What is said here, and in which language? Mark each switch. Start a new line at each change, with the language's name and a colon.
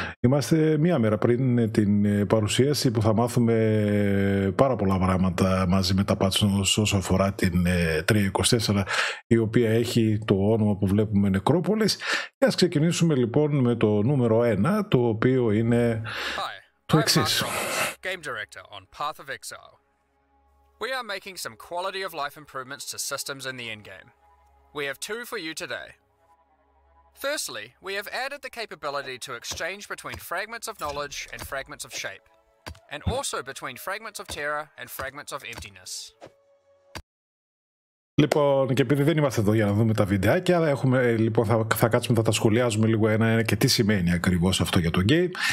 Greek: Είμαστε μία μέρα πριν την παρουσίαση που θα μάθουμε πάρα πολλά πράγματα μαζί με τα patch όσον αφορά την 324, η οποία έχει το όνομα που βλέπουμε Νεκρόπολης. Και ας ξεκινήσουμε λοιπόν με το νούμερο 1, το οποίο είναι το εξής.
English: Game Director on Path of Exile. We are making some quality of life improvements to systems in the endgame. We have two for you today. Firstly, we have added the capability to exchange between fragments of knowledge and fragments of shape, and also between fragments of terror and fragments of emptiness.
Greek: Λοιπόν, και επειδή δεν είμαστε εδώ για να δούμε τα βιντεάκια, έχουμε, λοιπόν, θα κάτσουμε, θα τα σχολιάζουμε λίγο ένα-ένα και τι σημαίνει ακριβώς αυτό για το game.